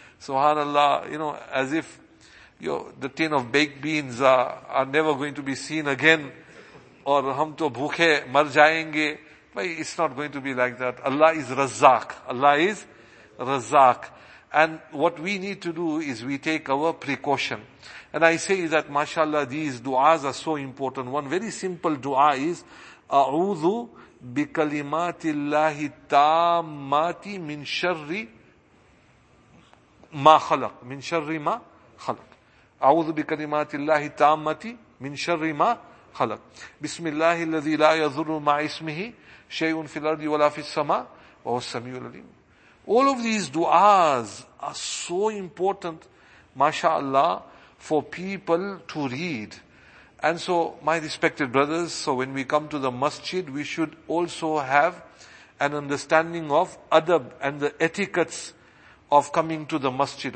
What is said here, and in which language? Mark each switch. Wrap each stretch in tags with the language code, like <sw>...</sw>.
<en>Subhanallah, you know, as if the tin of baked beans are never going to be seen again. Or</en> <hi>hum to bhookhe mar jayenge.</hi> <en>It's not going to be like that. Allah is Razzaq. Allah is Razzaq. And what we need to do is we take our precaution. And I say that, mashallah, these du'as are so important. One very simple du'a is,</en> <ar>أَعُوذُ بِكَلِمَاتِ اللَّهِ التَّامَّاتِ مِنْ شَرِّ مَا خَلَقْ مِنْ شَرِّ مَا خَلَقْ أَعُوذُ بِكَلِمَاتِ اللَّهِ التَّامَّاتِ مِنْ شَرِّ مَا خَلَقْ بِسْمِ اللَّهِ الَّذِي لَا يَذُرُّ مَعْ إِسْمِهِ شَيْءٌ فِي الْأَرْضِ وَلَا فِي السَّمَاءِ وَهُوَ السَّمِيعُ الْعَلِيمُ.</ar> <en>All of these du'as are so important, mashallah, for people to read. And so, my respected brothers, so when we come to the masjid, we should also have an understanding of adab and the etiquettes of coming to the masjid.</en>